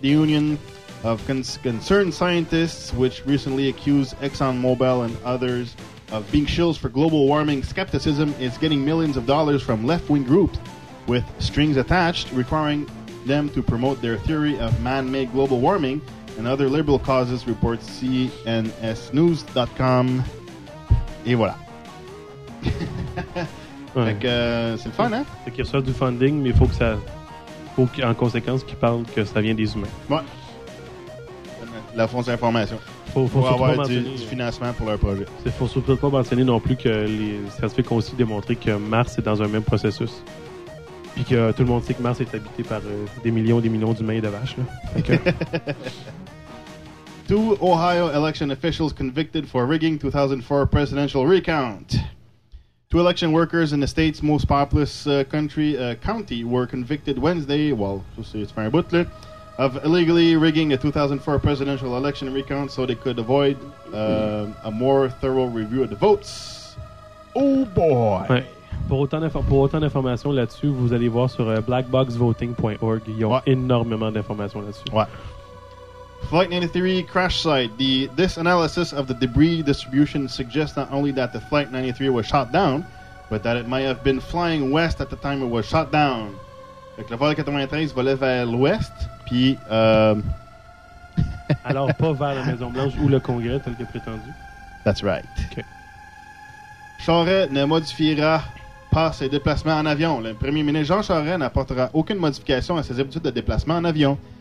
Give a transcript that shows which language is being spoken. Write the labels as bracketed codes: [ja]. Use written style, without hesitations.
[en] The union of concerned scientists, which recently accused ExxonMobil and others of being shills for global warming skepticism, is getting millions of dollars from left-wing groups with strings attached, requiring them to promote their theory of man-made global warming and other liberal causes, reports CNSnews.com. [fr] Et voilà. Ouais. Fait que c'est le fun, hein? Fait qu'il reçoit du funding, mais il faut que ça... faut qu'en conséquence, qu'il parle que ça vient des humains. Ouais. La fonte d'information. Faut avoir du financement pour leur projet. Faut surtout pas mentionner non plus que les scientifiques ont aussi démontré que Mars est dans un même processus. Puis que tout le monde sait que Mars est habité par des millions d'humains et de vaches, là. Fait que... [en] Two Ohio election officials convicted for rigging 2004 presidential recount. Two election workers in the state's most populous county were convicted Wednesday, of illegally rigging a 2004 presidential election recount so they could avoid a more thorough review of the votes. Oh boy! [fr] Ouais. Pour autant d'informations là-dessus, vous allez voir sur blackboxvoting.org. Ils ont énormément d'informations là-dessus. Ouais. [en] Flight 93 crash site. This analysis of the debris distribution suggests not only that the Flight 93 was shot down, but that it might have been flying west at the time it was shot down. [fr] Fait que le vol 93 volait vers l'ouest, puis... Alors, pas vers la Maison-Blanche ou le Congrès, tel que prétendu. [en] That's right. OK. [fr] Charest ne modifiera pas ses déplacements en avion. Le premier ministre Jean Charest n'apportera aucune modification à ses habitudes de déplacement en avion.